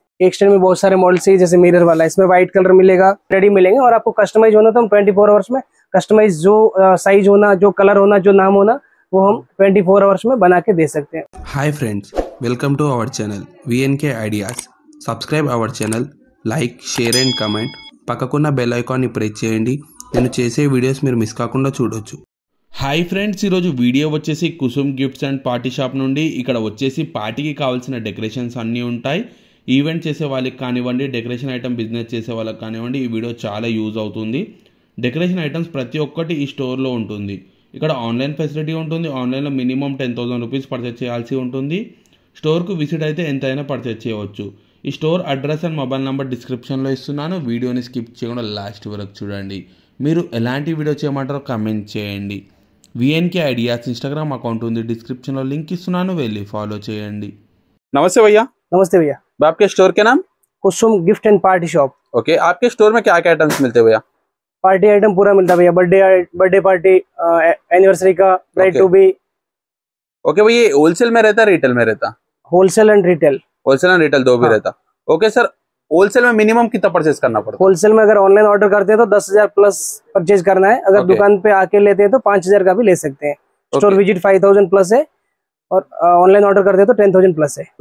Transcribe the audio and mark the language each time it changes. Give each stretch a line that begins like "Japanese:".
Hindi: Extend में बहुत सारे मॉडल्स है, जैसे मिरर वाला, इसमें व्हाइट कलर मिलेगा, रेडी मिलेंगे, और आपको कस्टमाइज होना तो हम 24 आवर्स में कस्टमाइज, जो साइज होना, जो कलर होना, जो नाम होना, वो हम 24 आवर्स में बना के दे सकते हैं।
English: hi friends, welcome to our channel VNK ideas, subscribe our channel, like, share and comment,
Telugu: पक्को ना बेल आइकॉन प्रेस చేయండి, నేను చేసే వీడియోస్ మీరు మిస్ కాకుండా చూడొచ్చు। హాయ్ ఫ్రెండ్స్, ఈ రోజు వీడియో వచ్చేసి Kusum gifts and party sharp నుండి। ఇక్కడ వచ్చేసి పార్టీకి కావాల్సిన డెకరేషన్స్ అన్ని ఉంటాయి, ఈవెంట్ చేసే వాళ్ళకి కానివ్వండి, డెకరేషన్ ఐటమ్ బిజినెస్ చేసే వాళ్ళకి కానివ్వండి, ఈ వీడియో చాలా యూజ్ అవుతుంది। డెకరేషన్ ఐటమ్స్ ప్రతి ఒక్కటి ఈ స్టోర్లో ఉంటుంది, ఇక్కడ ఆన్లైన్ ఫెసిలిటీ ఉంటుంది, ఆన్లైన్లో మినిమం 10,000 రూపీస్ పర్చేజ్ చేయాల్సి ఉంటుంది, స్టోర్కు విజిట్ అయితే ఎంతైనా పర్చేజ్ చేయవచ్చు। ఈ store address and mobile number డిస్క్రిప్షన్లో ఇస్తున్నాను, వీడియోని స్కిప్ చేయకుండా లాస్ట్ వరకు చూడండి। మీరు ఎలాంటి వీడియో చేయమంటారో కమెంట్ చేయండి। VNK ఐడియాస్ ఇన్స్టాగ్రామ్ అకౌంట్ ఉంది, డిస్క్రిప్షన్లో లింక్ ఇస్తున్నాను, వెళ్ళి ఫాలో చేయండి। నమస్తే భయ్యా। నమస్తే భయ్యా।
Hindi: ఆప్కే store K NAM? Kusum gift and party sharp. Okay, Aapke store మే క్యా క్యా ఐటమ్స్ మిల్తే భయ్యా? पार्टी आइटम पूरा मिलता है भैया, बर्थडे पार्टी, एनिवर्सरी का, ब्राइड टू बी। ओके भैया, होलसेल में रहता है रिटेल में रहता? Wholesale and retail, wholesale and retail दो भी रहता। ओके सर, होलसेल में मिनिमम कितना परचेज करना पड़ता है? होलसेल में अगर ऑनलाइन ऑर्डर करते हैं तो 10,000+ परचेज करना है, अगर दुकान पे आके लेते हैं तो 5,000 का भी ले सकते हैं, स्टोर विजिट 5,000+ है, और ऑनलाइन ऑर्डर करते हैं तो 10,000+ है,